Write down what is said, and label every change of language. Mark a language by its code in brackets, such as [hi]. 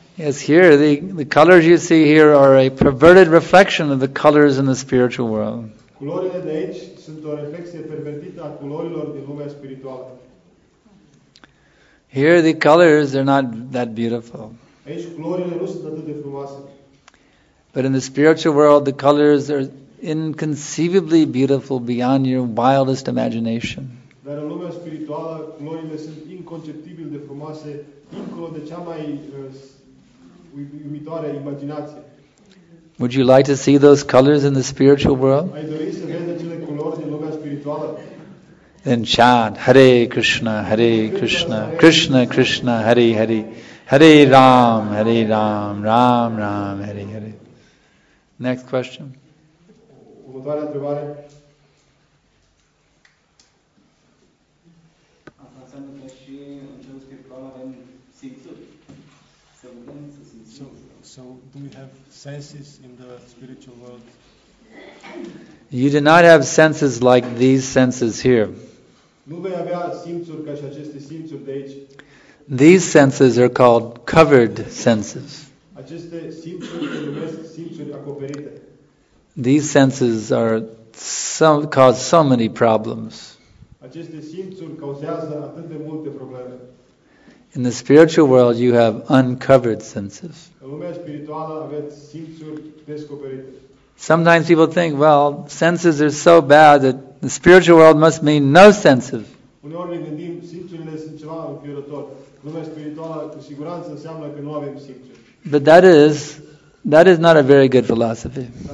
[en] Yes, here the colors you see here are a perverted reflection of the colors in the spiritual world. [ro] Culorile de aici sunt o reflexie pervertită a culorilor din lumea spirituală. [en] Here the colors are not that beautiful. [ro] Aici culorile nu sunt atât de frumoase. [en] But in the spiritual world the colors are inconceivably beautiful beyond your wildest imagination. [ro] Dar în lumea spirituală culorile sunt inconceptibil de frumoase dincolo de cea mai uimitoare imaginație. [en] Would you like to see those colors in the spiritual world? [ro] Ai dori să vezi acele culori din lumea spirituală? [en] Then chant Hare Krishna, Hare Krishna, Krishna Krishna, Hare Hare, Hare Ram, Hare Ram, Ram Ram, Hare Hare. Next question. [ro] Următoarea întrebare. Asta înseamnă că și în cel spiritual avem simțuri. Să vedem, să simțim. [en] So, do we have senses in the spiritual world? You do not have senses like these senses here. [ro] Nu vei avea simțuri ca și aceste simțuri de aici. [en] These senses are called covered senses. [ro] Aceste simțuri se numesc simțuri acoperite. [en] These senses are cause so many problems. [ro] Aceste simțuri cauzează atât de multe probleme. [en] In the spiritual world, you have uncovered senses. [ro] În lumea spirituală aveți simțuri descoperite. [en] Sometimes people think, well, senses are so bad that the spiritual world must mean no senses. [ro] Uneori ne gândim, simțurile sunt ceva înfiorător. Lumea spirituală cu siguranță înseamnă că nu avem simțuri. [en] But that is not a very good philosophy.